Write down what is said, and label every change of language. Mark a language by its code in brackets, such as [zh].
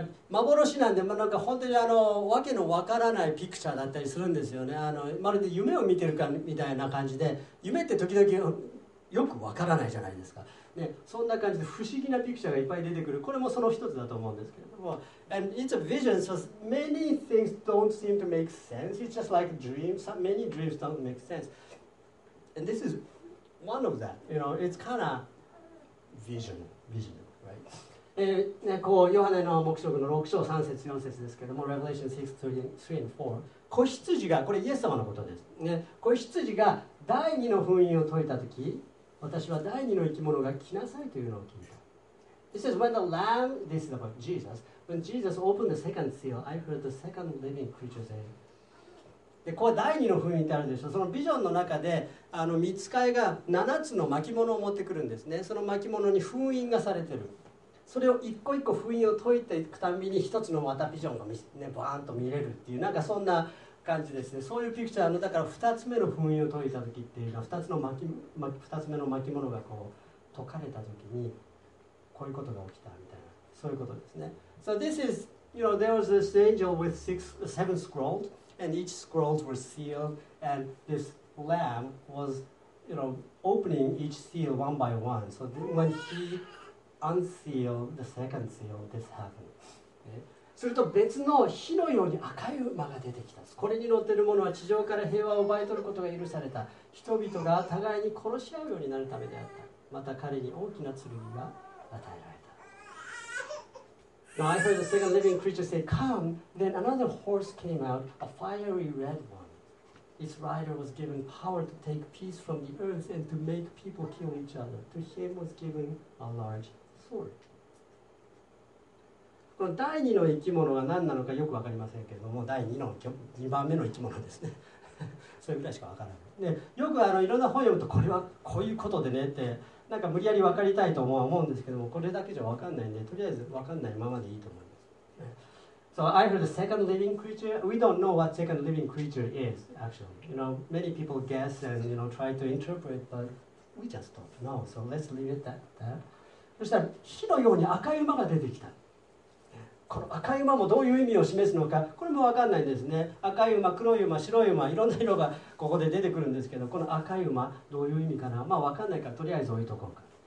[ja] 幻なんで、なんか本当にわけのわからないピクチャーだったりするんですよね。まるで夢を見てるかみたいな感じで、夢って時々よくわからないじゃないですか、ね、そんな感じで不思議なピクチャーがいっぱい出てくる。これもその一つだと思うんですけれども、 [en] And it's a vision, so many things don't seem to make sense. It's just like dreams. Many dreams don't make sense. And this is one of that. You know, it's kind of vision, right? [ja] こうヨハネの黙示録の6章3節4節ですけれども、 [en] Revelation 6, 3 and 4、 [ja] 子羊が、これイエス様のことです、ね、子羊が第二の封印を解いたとき、私は第二の生き物が来なさいというのを聞いた。 [en] It says, when the Lamb, this is about Jesus, when Jesus opened the second seal, I heard the second living creature say. [ja] で、これ第二の封印ってあるでしょ。そのビジョンの中で、御使いが七つの巻物を持ってくるんですね。その巻物に封印がされてる。それを一個一個封印を解いていくたびに、一つのまたビジョンが、ね、バーンと見れるっていう、なんかそんな感じですね。そういうピクチャーの、だから2つ目の封印を解いた時っていうか、2つ目の巻物がこう解かれた時にこういうことが起きたみたいな、そういうことですね。 [en] So this is, you know, there was this angel with seven scrolls, and each scrolls were sealed, and this lamb was, you know, opening each seal one by one. So when he unsealed the second seal, this happened. [ja] すると別の火のように赤い馬が出てきた。これに乗っている者は地上から平和を奪い取ることが許された。人々が互いに殺し合うようになるためであった。また彼に大きな剣が与えられた。 [en] Now I heard the second living creature say, Come, then another horse came out, a fiery red one. Its rider was given power to take peace from the earth and to make people kill each other. To him was given a large sword. [ja] この第二の生き物が何なのかよく分かりませんけれども、2番目の生き物ですね。それぐらいしか分からない。でよくいろんな本読むと、これはこういうことでねって、なんか無理やり分かりたいと思うんですけども、これだけじゃ分かんないんで、とりあえず分かんないままでいいと思います。 [en] So I heard the second living creature. We don't know what second living creature is actually. You know, many people guess and you know, try to interpret, but we just don't know. So let's leave it that, that. [ja] そしたら火のように赤い馬が出てきた。この赤い馬もどういう意味を示すのか、これも分かんないんですね。赤い馬、黒い馬、白い馬、いろんな色がここで出てくるんですけど、この赤い馬どういう意味かな、まあ分かんないからとりあえず置いとこうか。